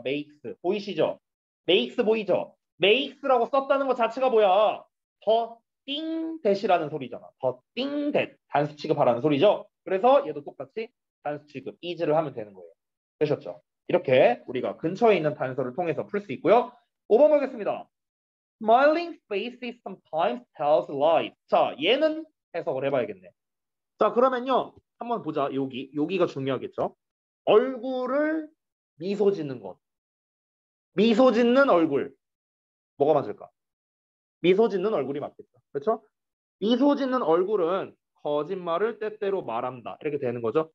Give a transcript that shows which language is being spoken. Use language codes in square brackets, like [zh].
[ko] makes. 보이시죠? makes 보이죠? makes라고 썼다는 것 자체가 뭐야? 더 띵 대시라는 소리잖아. 더 띵 대 단수 취급하라는 소리죠. 그래서 얘도 똑같이 단수 취급 is를 하면 되는 거예요. 되셨죠? 이렇게 우리가 근처에 있는 단서를 통해서 풀 수 있고요. 5번 보겠습니다. [en] Smiling faces sometimes tells lies. [ko] 자, 얘는 해석을 해봐야겠네. 자, 그러면요 한번 보자. 여기가 중요하겠죠. 얼굴을 미소 짓는 것. 미소 짓는 얼굴. 뭐가 맞을까? 미소 짓는 얼굴이 맞겠죠. 그렇죠? 미소 짓는 얼굴은 거짓말을 때때로 말한다. 이렇게 되는 거죠.